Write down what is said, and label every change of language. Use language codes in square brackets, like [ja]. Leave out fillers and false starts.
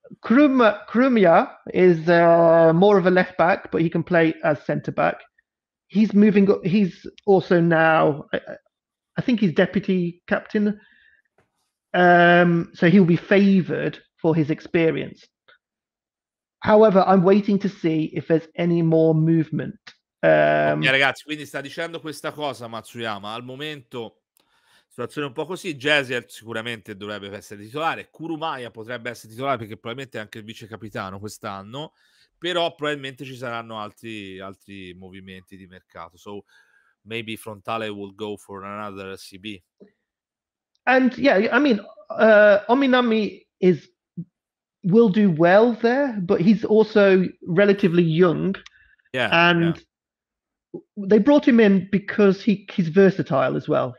[en] Krumia is more of a left back, but he can play as centre back. He's moving up. He's also now, I think he's deputy captain. So he'll be favoured for his experience. However, I'm waiting to see if there's any more movement. [it] Okay, ragazzi, quindi sta dicendo questa cosa Matsuyama. Al momento, situazione un po' così. Jessiel sicuramente dovrebbe essere titolare. Kurumaya potrebbe essere titolare perché probabilmente è anche il vice capitano quest'anno. Però probabilmente ci saranno altri movimenti di mercato. [en] So maybe Frontale will go for another CB. And yeah, I mean, Ominami will do well there, but he's also relatively young. Yeah. And they brought him in because he's versatile as well.